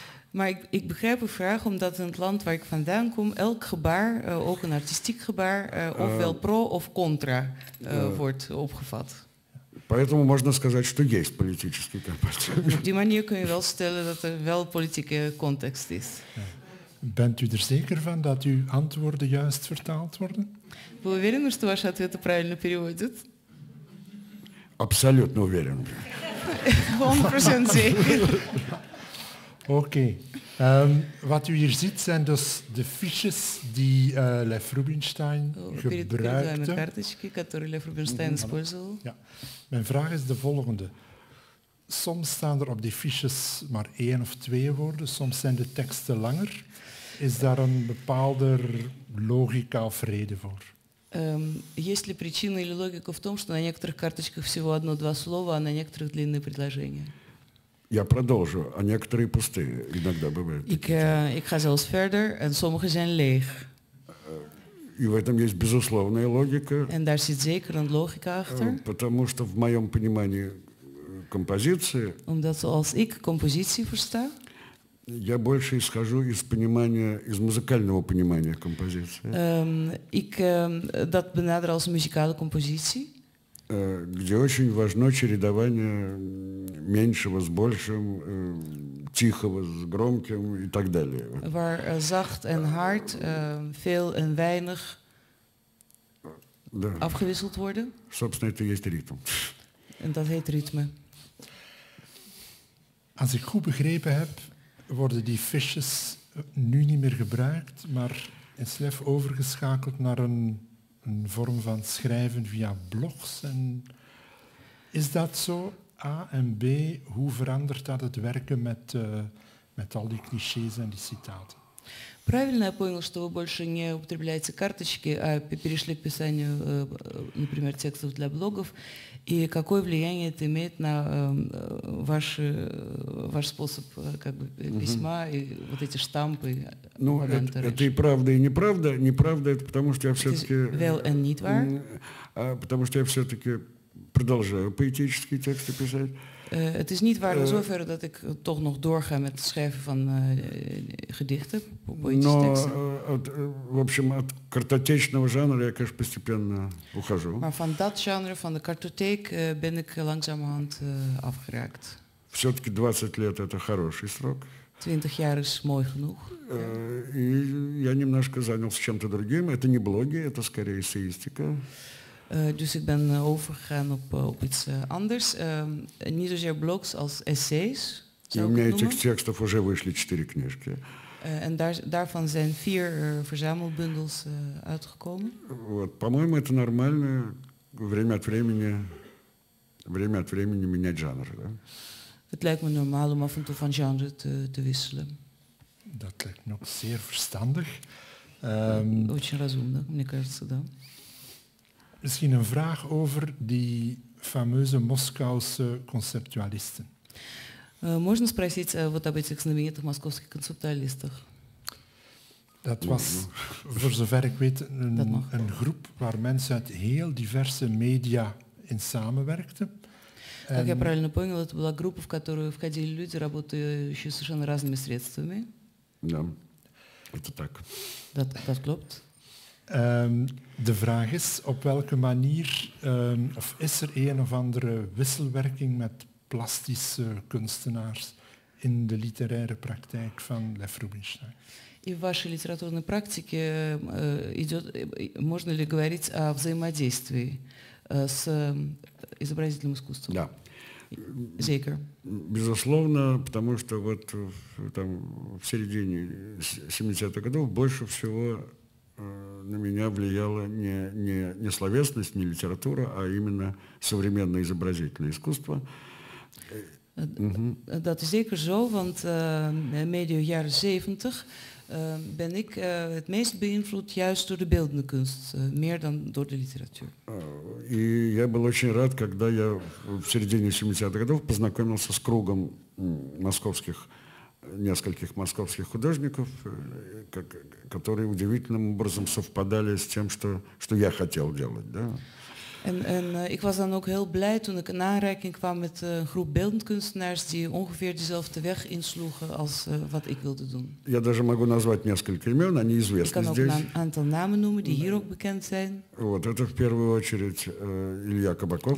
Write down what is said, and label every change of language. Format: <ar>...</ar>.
<nl>Maar ik begrijp uw vraag, omdat in het land waar ik vandaan kom, elk gebaar, ook een artistiek gebaar, ofwel pro of contra wordt opgevat.</nl> <ru>Поэтому можно сказать, что есть политический контекст.</ru> <nl>Op die manier kun je wel stellen dat er wel politieke context is. Bent u er zeker van dat uw antwoorden juist vertaald worden?</nl> <ru>Вы уверены, что ваши ответы правильно переводят? Абсолютно уверен.</ru> <nl>100% zeker. Oké. Wat u hier ziet zijn dus de fiches die Lef Rubinstein gebruikte. Ja. Mijn vraag is de volgende. Soms staan er op die fiches maar één of twee woorden, soms zijn de teksten langer. Is daar een bepaalde logica of reden voor?</nl> <ru>Есть ли причина или логика в том, что на некоторых карточках всего одно-два слова, а на некоторых длинные предложения? Я продолжу, а некоторые пустые иногда бывают.</ru> <nl>Ik ga zelfs verder en sommige zijn leeg.</nl> <ru>И в этом есть безусловная логика.</ru> <nl>En daar zit zeker een logica achter.</nl> <ru>Потому что в моем понимании композиции.</ru> <nl>Omdat zoals ik compositie versta.</nl> <ru>Я больше исхожу из понимания, из музыкального понимания композиции.</ru> <nl>Ik dat benader als muzikale compositie.</nl> <ru>Где очень важно чередование меньшего с большим, тихого с громким и так далее.</ru> <nl>Waar zacht en hard, veel en weinig afgewisseld worden.</nl> <ru>Собственно, это есть ритм.</ru> <nl>En dat heet</nl> <ru>ритме.</ru> <nl>Als ik goed begrepen heb, worden die fiches nu niet meer gebruikt, maar is Lef overgeschakeld naar een vorm van schrijven via blogs. En is dat zo? A en B, hoe verandert dat het werken met al die clichés en die citaten?</nl> <ru>Правильно я понял, что вы больше не употребляете карточки, а перешли к писанию, например, текстов для блогов. И какое влияние это имеет на ваш способ как бы, письма и вот эти штампы? Ну, это и правда, и неправда. Неправда это потому, что я все-таки...</ru> <en>Well and not war.</en> <ru>Потому что я все-таки продолжаю поэтические тексты писать.</ru> <nl>Het is niet waar in zoverre dat ik toch nog doorga met het schrijven van gedichten, poëtische teksten. Maar van dat genre, van de kartotheek, ben ik langzamerhand afgeraakt.</nl> <ru>Все-таки 20 лет – это хороший срок. 20 лет уж мой внук. И я немножко занялся чем-то другим. Это не блоги, это скорее эссеистика.</ru> <nl>Dus ik ben overgegaan op iets anders. Niet zozeer blogs als essays.</nl> <ru>У меня этих текстов уже вышли 4 книжки.</ru> <nl>En daarvan zijn 4 verzamelbundels uitgekomen.</nl> <ru>Вот, по-моему, это нормально время от времени менять жанр. Да?</ru> <nl>Het lijkt me normaal om af en toe van genre te wisselen. Dat lijkt me ook zeer verstandig.</nl> <ru>Очень разумно, мне кажется, да.</ru> <nl>Misschien een vraag over die fameuze Moskouse conceptualisten.</nl> <ru>Можно спросить вот об этих знаменитых московских концептуалистах?</ru> <nl>Dat was, voor zover ik weet, een groep waar mensen uit heel diverse media in samenwerkten.</nl> <ru>Как я правильно понял, это была группа, в которую входили люди, работающие совершенно разными средствами. Да, это так.</ru> <nl>Dat klopt. De vraag is, op welke manier, of is er een of andere wisselwerking met plastische kunstenaars in de literaire praktijk van Lev Rubinstein?</nl> <ru>In вашей литературной практике идет, можно ли говорить о взаимодействии с изобразительным искусством? Да.</ru> <nl>Zeker.</nl> <ru>Безусловно, потому что вот там в середине 70-х годов больше всего на меня влияла не словесность, не литература, а именно современное изобразительное искусство.</ru> <nl>Dat is zeker zo, want medio jaren 70 ben ik het meest beïnvloed juist door de beeldende kunst, meer dan door de literatuur.</nl> <ru>И я был очень рад, когда я в середине 70-х годов познакомился с кругом нескольких московских художников, которые удивительным образом совпадали с тем, что я хотел делать, да.</ru> <nl>Ik was dan ook heel blij toen ik in aanraking kwam met een groep beeldend kunstenaars die ongeveer dezelfde weg insloegen als wat ik wilde doen.</nl> <ru>Я даже могу назвать несколько имен, они известны здесь.</ru> <nl>Ik kan ook een aantal namen noemen die hier ook bekend zijn.</nl> <ru>Вот это в первую очередь Илья Кабаков.</ru>